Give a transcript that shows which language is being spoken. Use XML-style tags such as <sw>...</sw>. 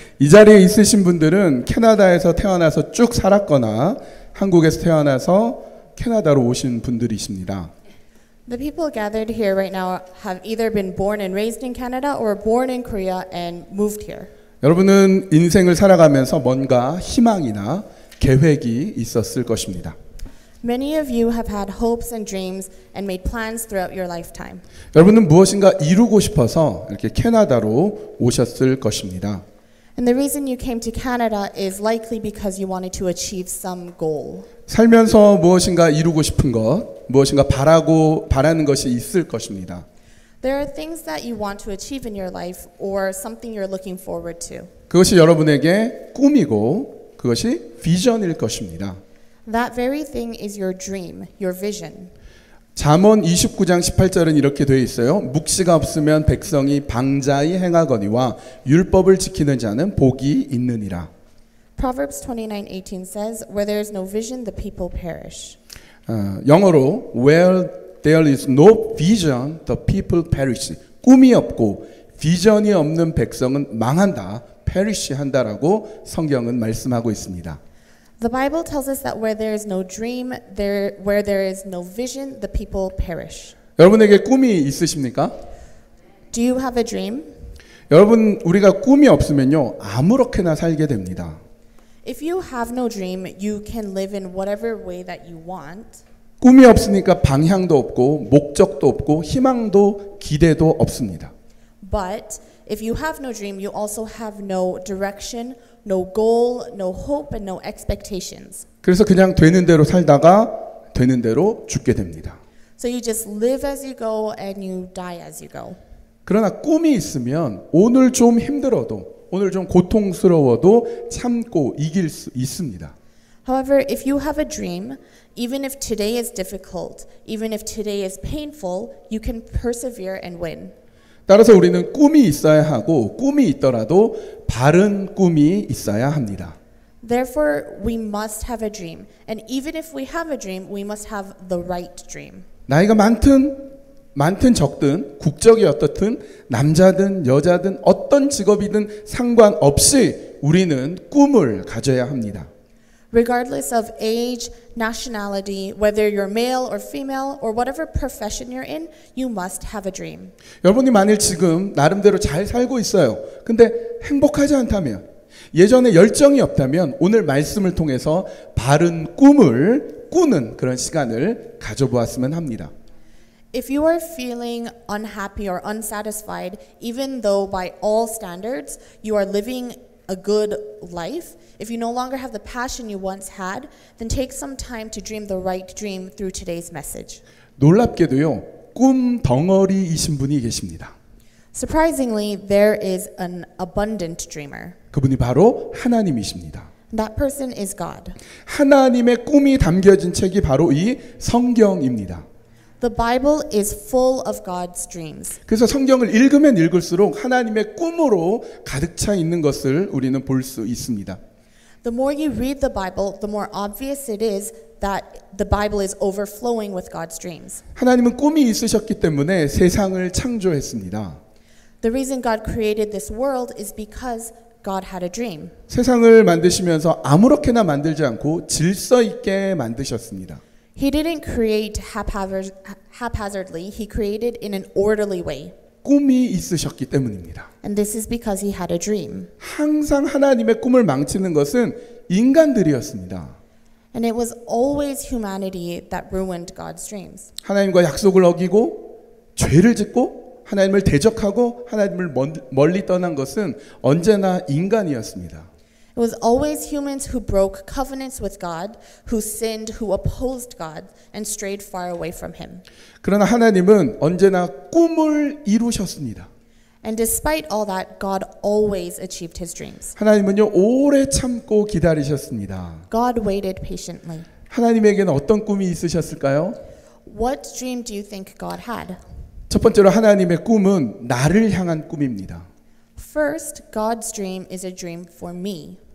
<ko>이 자리에 있으신 분들은 캐나다에서 태어나서 쭉 살았거나 한국에서 태어나서 캐나다로 오신 분들이십니다.</ko> <en>The people gathered here right now have either been born and raised in Canada or born in Korea and moved here.</en> <ko>여러분은 인생을 살아가면서 뭔가 희망이나 계획이 있었을 것입니다.</ko> <en>Many of you have had hopes and dreams and made plans throughout your lifetime.</en> <ko>여러분은 무엇인가 이루고 싶어서 이렇게 캐나다로 오셨을 것입니다.</ko> <en>And the reason you came to Canada is likely because you wanted to achieve some goal.</en> <ko>살면서 무엇인가 이루고 싶은 것, 무엇인가 바라고 바라는 것이 있을 것입니다.</ko> <en>There are things that you want to achieve in your life or something you're looking forward to.</en> <ko>그것이 여러분에게 꿈이고 그것이 비전일 것입니다.</ko> <en>That very thing is your dream, your vision.</en> <ko>잠언 29장 18절은 이렇게 되어 있어요. 묵시가 없으면 백성이 방자히 행하거니와 율법을 지키는 자는 복이 있느니라.</ko> <en>Proverbs 29:18 says, where there is no vision, the people perish.</en> <ko>영어로</ko> <en>where there is no vision, the people perish.</en> <ko>꿈이 없고 비전이 없는 백성은 망한다, perish한다라고 성경은 말씀하고 있습니다.</ko> <en>The Bible tells us that where there is no dream, where there is no vision, the people perish.</en> <ko>여러분에게 꿈이 있으십니까?</ko> <en>Do you have a dream?</en> <ko>여러분, 우리가 꿈이 없으면요, 아무렇게나 살게 됩니다.</ko> <en>If you have no dream, you can live in whatever way that you want.</en> <ko>꿈이 없으니까 방향도 없고 목적도 없고 희망도 기대도 없습니다.</ko> <en>But if you have no dream, you also have no direction. No goal, no hope, and no expectations.</en> <ko>그래서 그냥 되는 대로 살다가 되는 대로 죽게 됩니다.</ko> <en>So you just live as you go and you die as you go.</en> <ko>그러나 꿈이 있으면 오늘 좀 힘들어도 오늘 좀 고통스러워도 참고 이길 수 있습니다.</ko> <en>However, if you have a dream, even if today is difficult, even if today is painful, you can persevere and win.</en> <ko>따라서 우리는 꿈이 있어야 하고 꿈이 있더라도 바른 꿈이 있어야 합니다.</ko> <en>Therefore, we must have a dream. And even if we have a dream, we must have the right dream.</en> <ko>나이가 많든 적든 국적이 어떻든 남자든 여자든 어떤 직업이든 상관없이 우리는 꿈을 가져야 합니다.</ko> <en>Regardless of age, nationality, whether you're male or female, or whatever profession you're in, you must have a dream.</en> <ko>여러분이 만일 지금 나름대로 잘 살고 있어요. 근데 행복하지 않다면, 예전에 열정이 없다면 오늘 말씀을 통해서 바른 꿈을 꾸는 그런 시간을 가져보았으면 합니다.</ko> <en>If you are feeling unhappy or unsatisfied, even though by all standards you are living a good life, if you no longer have the passion you once had, then take some time to dream the right dream through today's message.</en> <ko>놀랍게도요, 꿈 덩어리이신 분이 계십니다.</ko> <en>Surprisingly, there is an abundant dreamer.</en> <ko>그분이 바로 하나님이십니다.</ko> <en>That person is God.</en> <ko>하나님의 꿈이 담겨진 책이 바로 이 성경입니다.</ko> <en>The Bible is full of God's dreams.</en> <ko>그래서 성경을 읽으면 읽을수록 하나님의 꿈으로 가득 차 있는 것을 우리는 볼 수 있습니다.</ko> <en>The more you read the Bible, the more obvious it is that the Bible is overflowing with God's dreams.</en> <ko>하나님은 꿈이 있으셨기 때문에 세상을 창조했습니다.</ko> <en>The reason God created this world is because God had a dream.</en> <ko>세상을 만드시면서 아무렇게나 만들지 않고 질서 있게 만드셨습니다.</ko> <en>He didn't create haphazardly. He created in an orderly way.</en> <ko>꿈이 있으셨기 때문입니다.</ko> <en>And this is because he had a dream.</en> <ko>항상 하나님의 꿈을 망치는 것은 인간들이었습니다.</ko> <en>And it was always humanity that ruined God's dreams.</en> <ko>하나님과 약속을 어기고 죄를 짓고 하나님을 대적하고 하나님을 멀리 떠난 것은 언제나 인간이었습니다.</ko> <en>It was always humans who broke covenants with God, who sinned, who opposed God, and strayed far away from Him.</en> <ko>그러나 하나님은 언제나 꿈을 이루셨습니다.</ko> <en>And despite all that, God always achieved His dreams.</en> <ko>하나님은요, 오래 참고 기다리셨습니다.</ko> <en>God waited patiently.</en> <ko>하나님에게는 어떤 꿈이 있으셨을까요?</ko> <en>What dream do you think God had?</en> <ko>첫 번째로 하나님의 꿈은 나를 향한 꿈입니다.</ko> <en>First, God's dream is a dream for me.</en>